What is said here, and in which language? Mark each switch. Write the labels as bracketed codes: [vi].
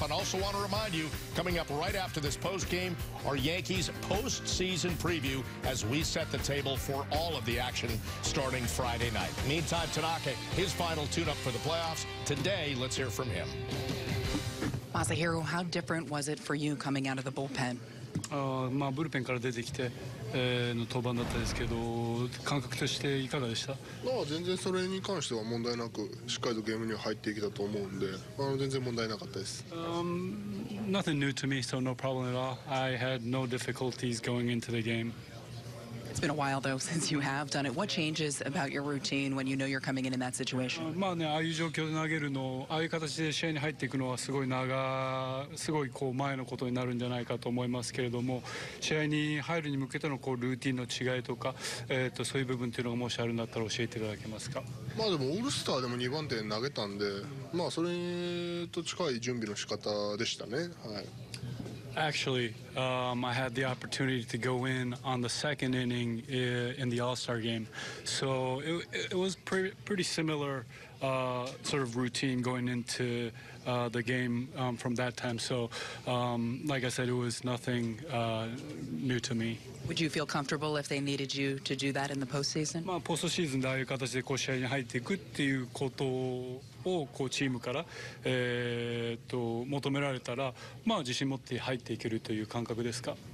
[en] And also want to remind you, coming up right after this post-game, our Yankees postseason preview as we set the table for all of the action starting Friday night. Meantime, Tanaka, his final tune-up for the playoffs. Today, let's hear from him. Masahiro, how different was it for you coming out of the bullpen? [ja] ブルペンから出てきて、の登板だったですけど、感覚としていかがでした？全然それに関しては問題なく、しっかりとゲームには入っていけたと思うんで、全然問題なかったです。 [en] Nothing new to me, so no problem at all. I had no difficulties going into the game. It's been a while though since you have done it. What changes about your routine when you know you're coming in that situation? [ja] ああいう状況で投げるの、ああいう形で試合に入っていくのはすごいこう前のことになるんじゃないかと思いますけれども、試合に入るに向けてのこうルーティンの違いとか、そういう部分というのがもしあるんだったら教えていただけますか。でもオールスターでも2番手に投げたんで、それと近い準備の仕方でしたね。はい。 [en] Actually, I had the opportunity to go in on the second inning in the All-Star game. So it was pretty similar sort of routine going into the game from that time. So like I said, it was nothing new to me. Would you feel comfortable if they needed you to do that in the postseason? [ja] ポストシーズンでああいう形でこう試合に入っていくっていうことをこうチームから求められたら、自信持って入っていけるという感覚ですか？